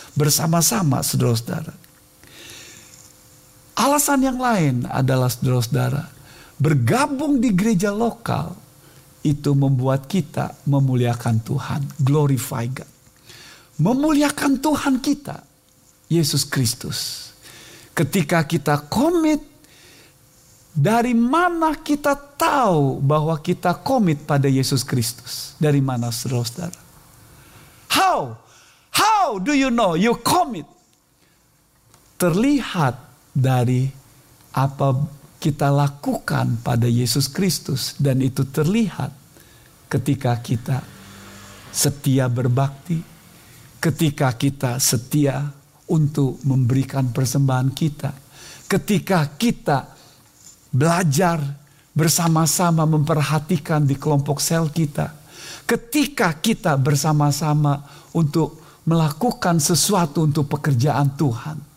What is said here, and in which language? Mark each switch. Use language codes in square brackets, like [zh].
[id] Bersama-sama, saudara-saudara. Alasan yang lain adalah, saudara-saudara, bergabung di gereja lokal itu membuat kita memuliakan Tuhan. [en] Glorify God. [id] Memuliakan Tuhan kita, Yesus Kristus. Ketika kita komit, dari mana kita tahu bahwa kita komit pada Yesus Kristus? Dari mana, saudara-saudara? [en] How do you know you commit? [id] Terlihat dari apa kita lakukan pada Yesus Kristus, dan itu terlihat ketika kita setia berbakti, ketika kita setia untuk memberikan persembahan kita, ketika kita belajar bersama-sama memperhatikan di kelompok sel kita, ketika kita bersama-sama untuk melakukan sesuatu untuk pekerjaan Tuhan.